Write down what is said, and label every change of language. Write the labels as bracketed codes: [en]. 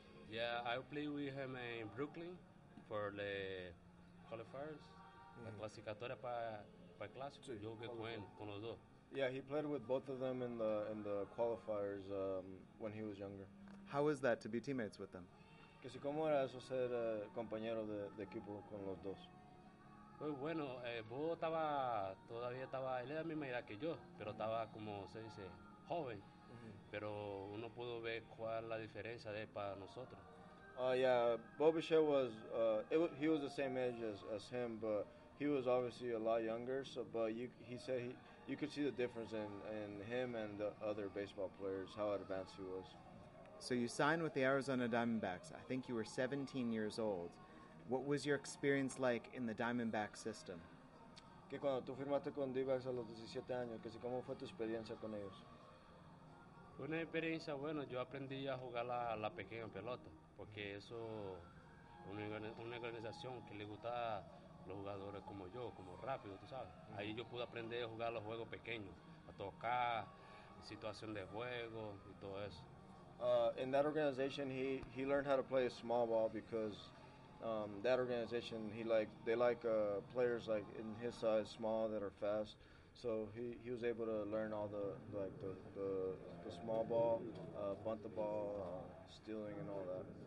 [en] Yeah, I played with him in Brooklyn for the qualifiers. [es] Mm-hmm. La clasificatoria para clásico. Sí, yo con los dos. [en] Yeah, he played with both of them in the qualifiers when he was younger. How was that to be teammates with them? [es] Que si cómo era eso ser compañero de equipo con los dos. Pues bueno, Bo estaba todavía estaba él era la misma edad que yo, pero estaba como se dice joven. Mm-hmm. Pero uno pudo ver cuál la diferencia de para nosotros. [en] Yeah, Bo Bichette was he was the same age as him, but he was obviously a lot younger. So, but you could see the difference in him and the other baseball players, how advanced he was. So you signed with the Arizona Diamondbacks. I think you were 17 years old. What was your experience like in the Diamondback system? [es] Que cuando tú firmaste con D-backs a los 17 años, que si cómo fue tu experiencia con ellos? Una experiencia bueno. Yo aprendí a jugar la pequeña pelota, porque eso una organización que le gusta los jugadores como yo, como rápido, tú sabes. Mm-hmm. Ahí yo pude aprender a jugar los juegos pequeños, a tocar, situación de juego y todo eso. [en] In that organization, he learned how to play a small ball because that organization they like players like in his size, small, that are fast. So he was able to learn all the small ball, bunt the ball, stealing and all that.